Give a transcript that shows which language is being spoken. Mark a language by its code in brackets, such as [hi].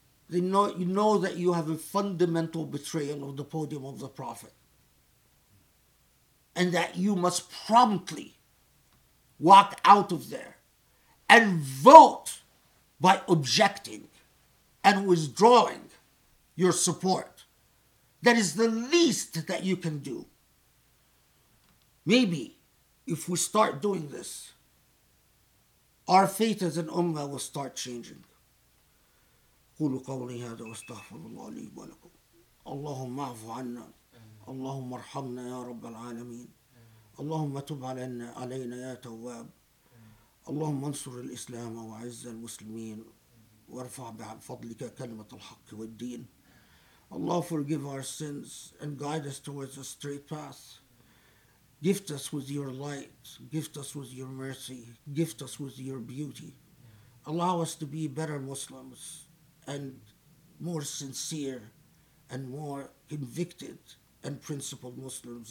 [en] They know, you know that you have a fundamental betrayal of the podium of the Prophet, and that you must promptly walk out of there and vote by objecting and withdrawing your support. That is the least that you can do. Maybe if we start doing this, our faith as an ummah will start changing. [ar] قولوا قولي هذا واستغفر الله لي ولكم. اللهم اعف عنا. اللهم ارحمنا يا رب العالمين. اللهم تب علينا يا تواب. اللهم انصر الإسلام وعز المسلمين. وارفع بفضلك كلمة الحق والدين. [en] Allah forgive our sins and guide us towards a straight path. Gift us with your light, gift us with your mercy, gift us with your beauty. Allow us to be better Muslims and more sincere and more convicted and principled Muslims.